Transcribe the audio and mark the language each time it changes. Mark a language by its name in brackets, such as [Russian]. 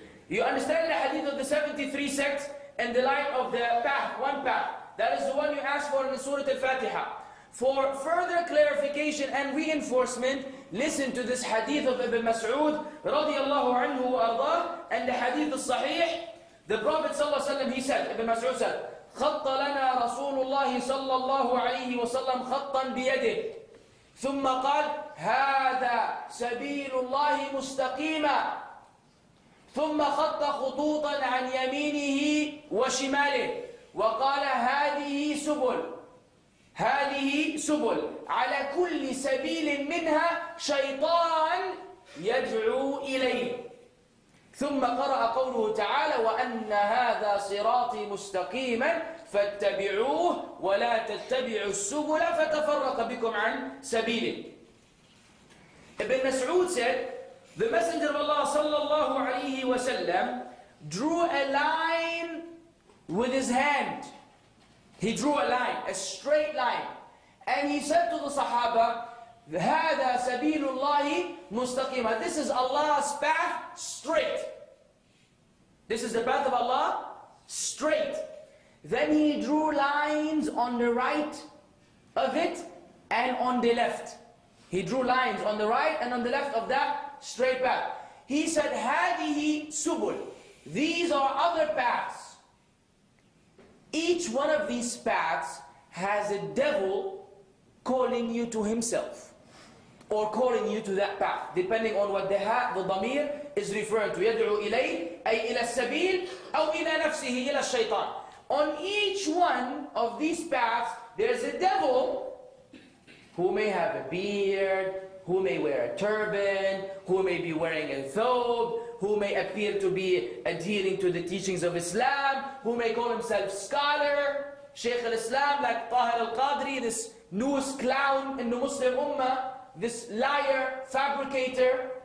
[English] You understand the hadith of the 73 sects and the light of the path, one path. That is the one you ask for in the Surah Al-Fatiha. For further clarification and reinforcement, listen to this hadith of Ibn Mas'ud radiallahu anhu wa arda, and the hadith al-sahih. The Prophet sallallahu alayhi wa sallam, he said, Ibn Mas'ud said, [Arabic] خَطَّ لَنَا رَسُولُ اللَّهِ صَلَّى اللَّهُ عَلَيْهِ وَسَلَّمْ خَطًّا بِيَدِهِ ثُمَّ قَالَ هَذَا سَبِيلُ اللَّهِ مُسْتَقِيمًا ثُمَّ خَطَّ خُطُوطًا عَنْ يَمِينِهِ وَشِمَالِهِ وَقَالَ هَذِهِ سُبُلٌ هذه سبل على كل سبيل منها شيطان يدعو إليه ثم قرأ قوله تعالى وأن هذا صراطي مستقيما فاتبعوه ولا تتبعوا السبل فتفرق بكم عن سبيله. [English] Ibn Mas'ud said, the Messenger of Allah sallallahu alayhi wa sallam drew a line with his hand. He drew a line, a straight line. And he said to the Sahaba, [Arabic] هَذَا سَبِيلُ اللَّهِ مُسْتَقِيمًا. [English] This is Allah's path, straight. This is the path of Allah, straight. Then he drew lines on the right of it and on the left. He drew lines on the right and on the left of that straight path. He said, [Arabic] هَذِهِ سُبُلْ. [English] These are other paths. Each one of these paths has a devil calling you to himself, or calling you to that path, depending on what the dhamir is referring to. [Arabic] يدعو إليه أي إلى السبيل أو إلى نفسه إلى الشيطان. [English] On each one of these paths, there's a devil who may have a beard, who may wear a turban, who may be wearing a thawb, who may appear to be adhering to the teachings of Islam, who may call himself scholar, Shaykh al-Islam, like Tahir al-Qadri, this newest clown in the Muslim Ummah, this liar, fabricator.